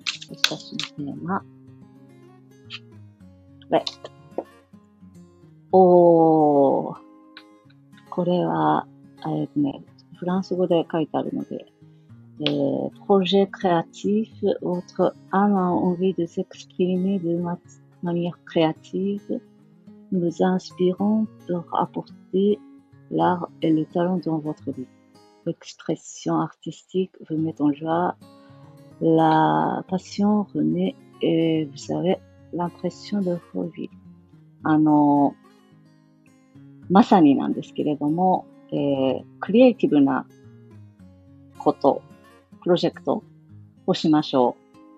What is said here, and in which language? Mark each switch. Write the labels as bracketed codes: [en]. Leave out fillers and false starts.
[ja] 私のテーマ。これ。おー。これは、フランス語で書いてあるので。 [fr] projet créatif, votre âme a envie de s'exprimer de manière créative, nous inspirant pour apporter l'art et le talent dans votre vie. L'expression artistique vous met en joie. La passion renaît, et vous savez, l'impression de revivre. [ja] まさになんですけれども、クリエイティブなこと、プロジェクトをしましょう。